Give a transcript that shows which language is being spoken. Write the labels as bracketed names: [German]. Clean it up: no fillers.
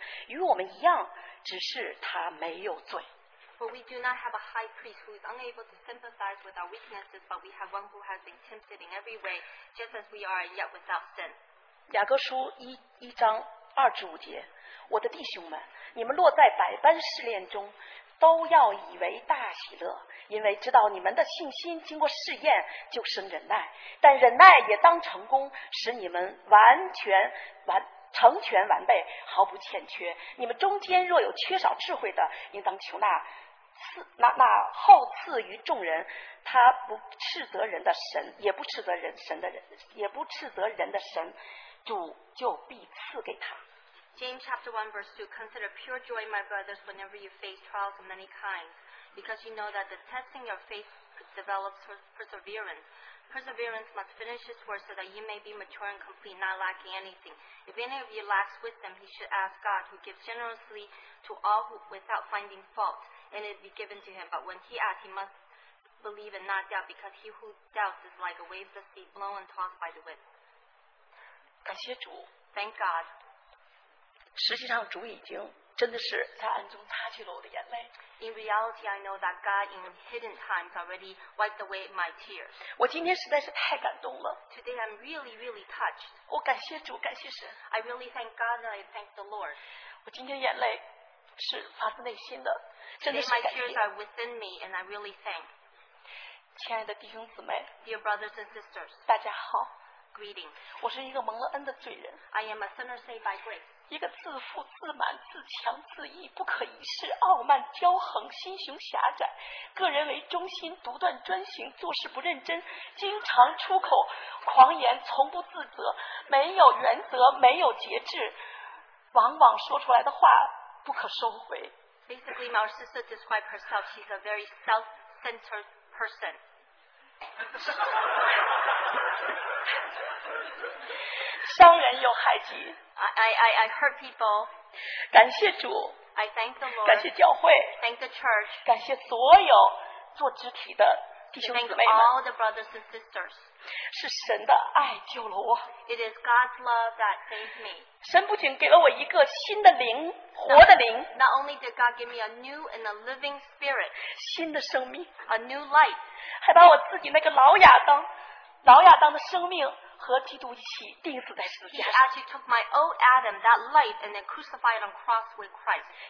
[Chinese] 因我们的大祭司并非不能体恤我们的软弱，他也曾凡事接受试炼，与我们一样，只是他没有罪。 [English] For we do not have a high priest who is unable to sympathize with our weaknesses, but we have one who has been tempted in every way, just as we are, yet without sin. [Chinese] 雅各书一章二至五节， 我的弟兄们，你们落在百般试炼中， 都要以为大喜乐， 因为知道你们的信心经过试验， 就生忍耐， 但忍耐也当成功， 使你们完全成全完备， 毫不欠缺， 你们中间若有缺少智慧的， 应当求那 那后赐于众人，他不斥责人的神，也不斥责人的神，主就必赐给他。 [English] James chapter 1 verse 2, consider pure joy, my brothers, whenever you face trials of many kinds, because you know that the testing of faith develops perseverance. Perseverance must finish its work so that you may be mature and complete, not lacking anything. If any of you lacks wisdom, he should ask God, who gives generously to all who, without finding fault, and it be given to him. But when he asks, he must believe and not doubt, because he who doubts is like a wave of the sea, blown and tossed by the wind. [Chinese] 感谢主, [English] thank God. [Chinese] 实际上主已经真的是在暗中擦去了我的眼泪。 [English] In reality, I know that God in hidden times already wiped away my tears. [Chinese] 我今天实在是太感动了。 [English] Today I'm really, really touched. [Chinese] 我感谢主，感谢神。 [English] I really thank God and I thank the Lord. [Chinese] 我今天眼泪是发自内心的, [English] today my tears are within me and I really thank. [Chinese] 亲爱的弟兄姊妹, [English] dear brothers and sisters, [Chinese] 大家好, [English] greetings. [Chinese] 我是一个蒙了恩的罪人, [English] I am a sinner saved by grace. [Chinese] 一个自负、自满、自强、自义、不可一世、傲慢、骄横、心胸狭窄，个人为中心、独断专行、做事不认真、经常出口狂言、从不自责、没有原则、没有节制，往往说出来的话不可收回。 [English] Basically, my sister described herself, she's a very self-centered person. [Chinese] 伤人又害己。 [English] I hurt people. [Chinese] 感谢主, [English] I thank the Lord. [Chinese] 感谢教会, [English] thank the church. [Chinese] 感谢所有做肢体的弟兄姊妹们。 [English] Thank all the brothers and sisters. [Chinese] 是神的爱救了我。 [English] It is God's love that saved me. [Chinese] 神不仅给了我一个新的灵, 活的灵, [English] not only did God give me a new and a living spirit, [Chinese] 新的生命, [English] a new light, [Chinese] 还把我自己那个老亚当的生命, [English] He actually took my old Adam, that light, and then crucified on cross with Christ.